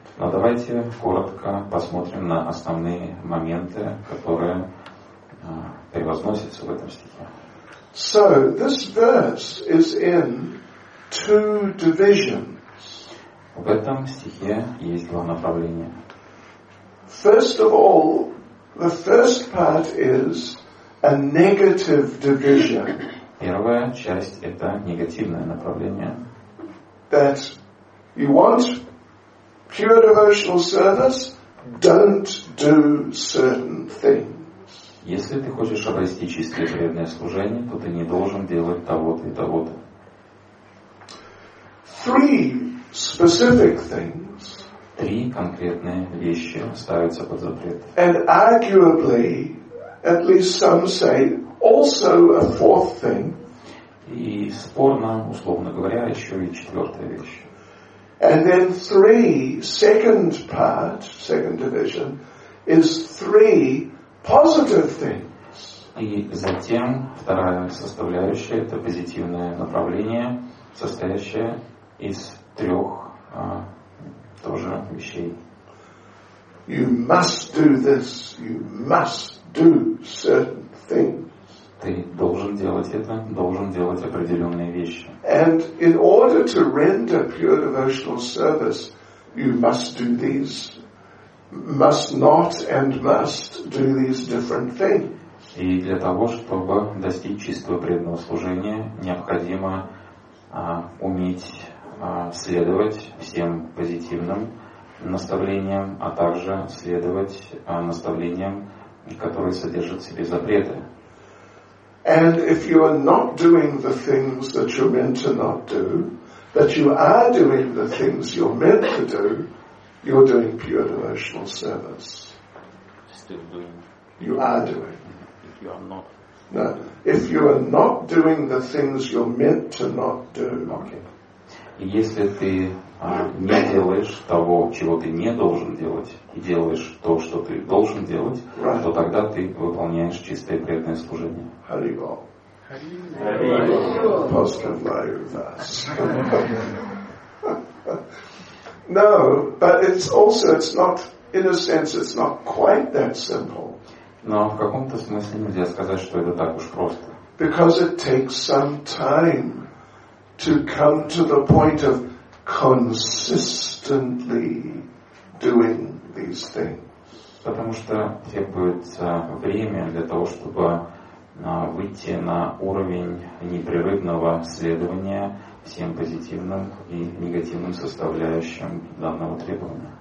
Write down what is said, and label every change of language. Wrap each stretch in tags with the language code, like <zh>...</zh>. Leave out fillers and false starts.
<ru>Но давайте коротко посмотрим на основные моменты, которые превозносятся в этом стихе.</ru> <en>So this verse is in two divisions.</en> <ru>В этом стихе есть два направления.</ru> <en>First of all, the first part is a negative division.</en> <ru>Первая часть — это негативное направление.</ru> <en>That you want pure devotional service, don't do certain things.</en> <ru>Если ты хочешь обрести чистое преданное служение, то ты не должен делать того-то и того-то.</ru> <en>Three specific things.</en> <ru>Три конкретные вещи ставятся под запрет.</ru> <en>And arguably, at least some say, also a fourth thing.</en> <ru>И спорно, условно говоря, еще и четвертая вещь.</ru> <en>And then three, second part, second division, is three positive things.</en> <ru>И затем вторая составляющая — это позитивное направление, состоящее из трех тоже вещей.</ru> <en>You must do this. You must do certain things.</en> <ru>Ты должен делать это, должен делать определенные вещи.</ru> <en>And in order to render pure devotional service, you must do these, must not and must do these different things.</en> <ru>И для того, чтобы достичь чистого преданного служения, необходимо уметь следовать всем позитивным наставлениям, а также следовать наставлениям, которые содержат в себе запреты.</ru> <en>And if you are not doing the things that you're meant to not do, but you are doing the things you're meant to do, you're doing pure devotional service. Still doing. You are doing. If you are not. No. If you are not doing the things you're meant to not do. Okay.</en> <ru>Если ты не делаешь того, чего ты не должен делать, и делаешь то, что ты должен делать,</ru> <en>right,</en> <ru>то тогда ты выполняешь чистое преданное служение.</ru> <en>Hare Bol. Most admire that. No, but it's also, it's not, in a sense, it's not quite that simple.</en> <ru>Но в каком-то смысле нельзя сказать, что это так уж просто.</ru> <en>Because it takes some time to come to the point of consistently doing these things.</en> <ru>Потому что требуется время для того, чтобы выйти на уровень непрерывного следования всем позитивным и негативным составляющим данного требования.</ru>